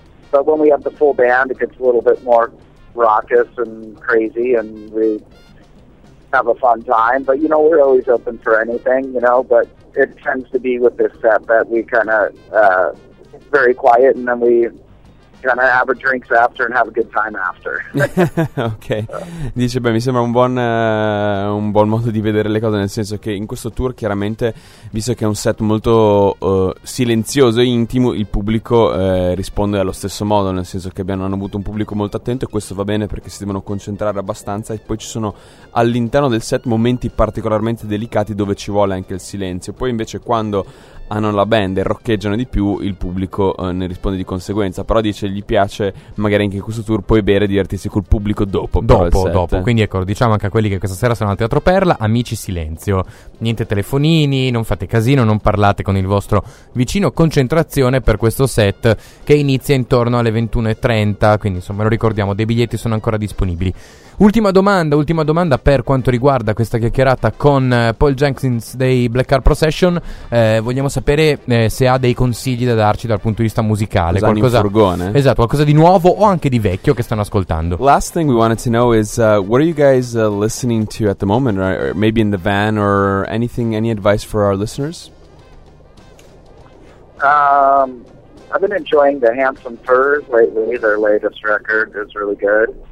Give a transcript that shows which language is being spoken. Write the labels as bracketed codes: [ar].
[en] But when we have the full band, it gets a little bit more raucous and crazy, and we have a fun time. But, you know, we're always open for anything, you know. But it tends to be with this set that we kind of very quiet, and then we kind of have our drinks after and have a good time after. Okay. [it] Dice, beh, mi sembra un buon modo di vedere le cose, nel senso che in questo tour, chiaramente, visto che è un set molto silenzioso e intimo, il pubblico risponde allo stesso modo, nel senso che hanno avuto un pubblico molto attento, e questo va bene perché si devono concentrare abbastanza, e poi ci sono all'interno del set momenti particolarmente delicati dove ci vuole anche il silenzio. Poi invece quando hanno la band e roccheggiano di più, il pubblico ne risponde di conseguenza. Però dice, gli piace magari anche in questo tour poi bere e divertirsi col pubblico dopo. Quindi ecco, diciamo anche a quelli che questa sera sono al Teatro Perla, amici, silenzio, niente telefonini, non fate casino, non parlate con il vostro vicino, concentrazione per questo set che inizia intorno alle 21:30. quindi, insomma, lo ricordiamo, dei biglietti sono ancora disponibili. Ultima domanda per quanto riguarda questa chiacchierata con Paul Jenkins dei Black Car Possession. Vogliamo sapere se ha dei consigli da darci dal punto di vista musicale. Qualcosa di nuovo o anche di vecchio che stanno ascoltando. [en] Last thing we wanted to know is what are you guys listening to at the moment, or maybe in the van, or anything, any advice for our listeners? I've been enjoying The Handsome Furs lately. Their latest record is really good.